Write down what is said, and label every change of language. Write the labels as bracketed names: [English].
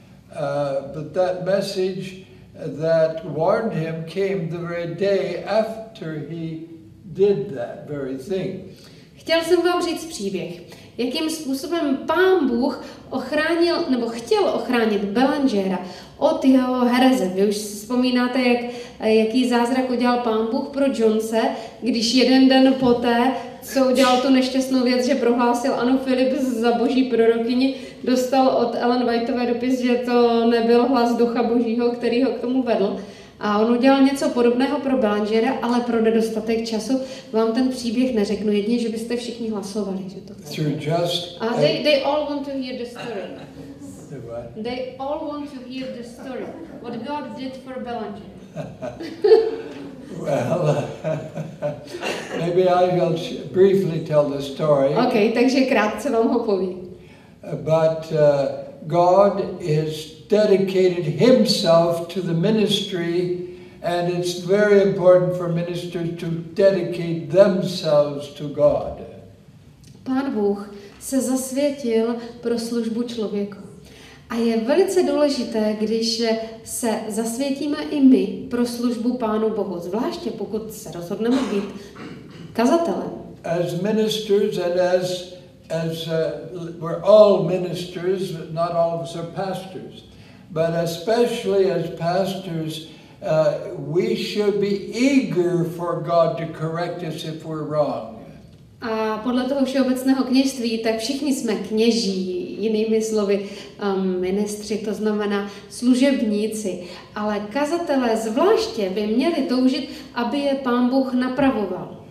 [English] But that message that warned him came the very day after he did that very thing. [Czech] Chtěl jsem vám říct příběh. jakým způsobem Pán Bůh ochránil, nebo chtěl ochránit Belangera od jeho hereze. Vy už si vzpomínáte, jaký zázrak udělal Pán Bůh pro Jonese, když jeden den poté, co udělal tu nešťastnou věc, že prohlásil Anu Phillips za boží prorokyni, dostal od Ellen Whiteové dopis, že to nebyl hlas Ducha Božího, který ho k tomu vedl. A on udělal něco podobného pro Belangera, ale pro nedostatek času vám ten příběh neřeknu. Jedině, že byste všichni hlasovali, že to chcete. [English] Just a they all want to hear the story. They all want to hear the story. What God did for Belangera. Well, maybe I will briefly tell the story. [Czech] Okay, takže krátce vám ho povím. [English] But God is dedicated himself to the ministry, and it's very important for ministers to dedicate themselves to God. [Czech] Pán Bůh se zasvětil pro službu člověku. A je velice důležité, když se zasvětíme i my pro službu Pánu Bohu, zvláště pokud se rozhodneme být kazatelem. [English] As ministers and as we're all ministers, not all of us are pastors. But especially as pastors, we should be eager for God to correct us if we're wrong. [Czech] A podle toho všeobecného kněžství, tak všichni jsme kněží, jinými slovy ministři, to znamená služebníci. Ale kazatelé zvláště by měli toužit, aby je Pán Bůh napravoval.